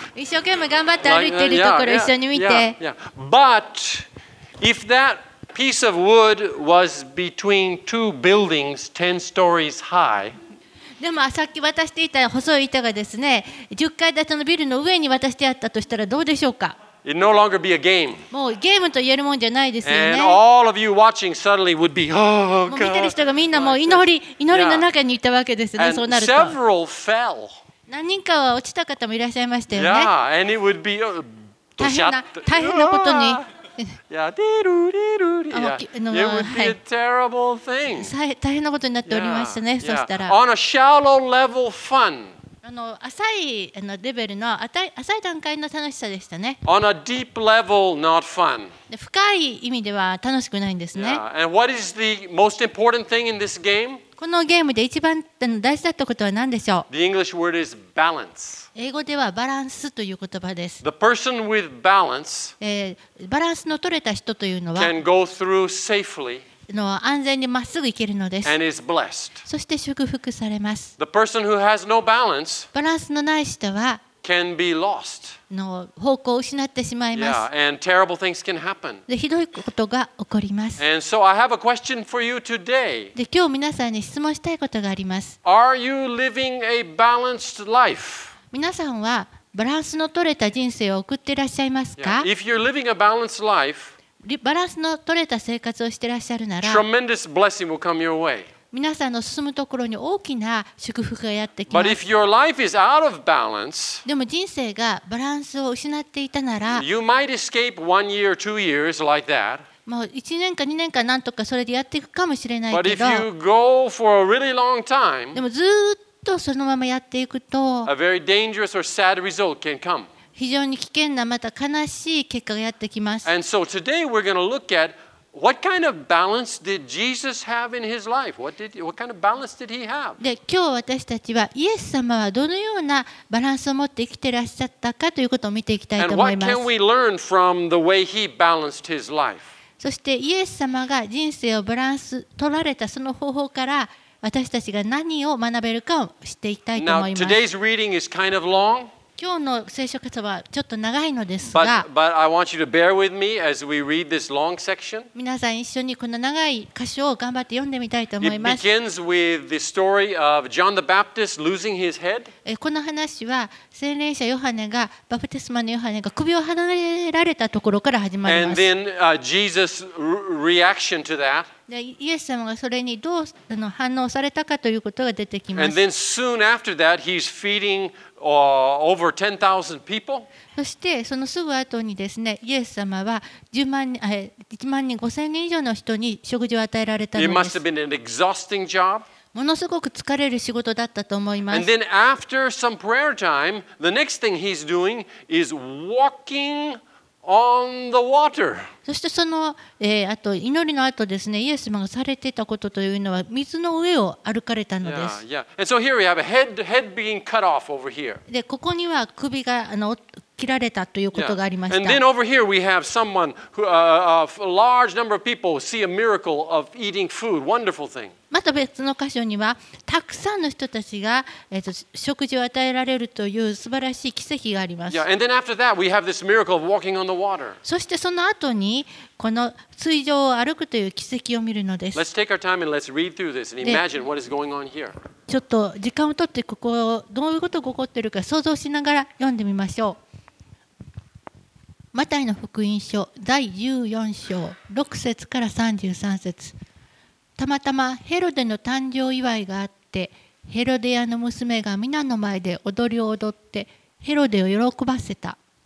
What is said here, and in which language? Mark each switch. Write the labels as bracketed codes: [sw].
[ja] 一生懸命頑張って歩いてるところ一緒に見て。 [en] But if that piece of wood was between two buildings, 10 stories high. [ja] でもさっき渡していた細い板がですね、10階建てのビルの上に渡してあったとしたらどうでしょうか。 [en] It no longer be a game. [ja] もうゲームと言えるもんじゃないですよね。 [en] And all of you watching suddenly would be, oh God. [ja] もう見てる人がみんなもう祈りの中にいたわけですね。そうなると。 [en] And several fell. [ja] 何人かは落ちた方もいらっしゃいましたよね。 [en] Yeah, and it would be, [ja] 大変なことに。 Yeah, de-ru-de-ru-de. [en] Yeah, it would be a terrible thing. [ja] 大変なことになっておりましたね。そしたら。 [en] On a shallow level fun. [ja] 浅いレベルの浅い段階の楽しさでしたね。 [en] On a deep level, not fun. [ja] 深い意味では楽しくないんですね。 [en] Yeah. And what is the most important thing in this game? [ja] このゲームで一番大事だったことは何でしょう？ [en] The English word is balance. [ja] 英語ではバランスという言葉です。 [en] The person with balance, [ja] バランスの取れた人というのは、 [en] can go through safely. [ja] の安全にまっすぐ行けるのです。そして祝福されます。 [en] The person who has no balance, [ja] バランスのない人は [en] can be lost. [ja] の方向を失ってしまいます。 [en] Yeah, and terrible things can happen. [ja] で、ひどいことが起こります。 [en] And so I have a question for you today. [ja] で、今日皆さんに質問したいことがあります。 [en] Are you living a balanced life? [ja] 皆さんはバランスの取れた人生を送っていらっしゃいますか? [en] Yeah, if you're living a balanced life, [ja] バランスの取れた生活をしていらっしゃるなら、 [en] tremendous blessing will come your way. [ja] 皆さんの進むところに大きな祝福がやってきます。 [en] But if your life is out of balance, [ja] でも人生がバランスを失っていたなら、 [en] you might escape one year, two years like that. [ja] もう1年か2年かなんとかそれでやっていくかもしれないけど、 [en] But if you go for a really long time, [ja] でもずっとそのままやっていくと、 [en] a very dangerous or sad result can come. [ja] 非常に危険なまた悲しい結果がやってきます。 [en] And so today we're going to look at. What kind of balance did Jesus have in his life? What kind of balance did he have? [ja] で、今日私たちはイエス様はどのようなバランスを持って生きていらっしゃったかということを見ていきたいと思います。 [en] And what can we learn from the way he balanced his life? [ja] そしてイエス様が人生をバランス取られたその方法から私たちが何を学べるかを知っていきたいと思います。 [en] Now today's reading is kind of long. [ja] 今日の聖書箇所はちょっと長いのですが、 [en] but I want you to bear with me as we read this long section. [ja] 皆さん一緒にこの長い箇所を頑張って読んでみたいと思います。 [en] It begins with the story of John the Baptist losing his head. [ja] この話は洗礼者ヨハネがバプテスマのヨハネが首を離れられたところから始まります。 [en] And then Jesus' reaction to that. [ja] でイエス様がそれにどう反応されたかということが出てきます。 [en] And then soon after that, he's feeding over 10,000 people. [ja] そしてそのすぐ後にですね、イエス様は1万5000人以上の人に食事を与えられたのです。 [en] It must have been an exhausting job. [ja] ものすごく疲れる仕事だったと思います。 [en] And then after some prayer time, the next thing he's doing is walking. On the water. [ja] そしてその、あと祈りの後ですね、イエス様がされていたことというのは水の上を歩かれたのです。 [en] Yeah, yeah. And so here we have a head being cut off over here. [ja] でここには首が切られたということがありました。 [en] Yeah. And then over here we have someone who a large number of people see a miracle of eating food, wonderful thing. [ja] また別の箇所にはたくさんの人たちが、食事を与えられるという素晴らしい奇跡があります。 [en] Yeah, and then after that, we have this miracle of walking on the water. [ja] そしてその後にこの水上を歩くという奇跡を見るのです。 [en] Let's take our time and let's read through this and imagine what is going on here. [ja] ちょっと時間を取ってここをどういうことが起こっているか想像しながら読んでみましょう。マタイの福音書第14章6節から33節。たまたまヘロデの誕生祝いがあって、ヘロデ屋の娘が皆の前で踊りを踊って、ヘロデを喜ばせた。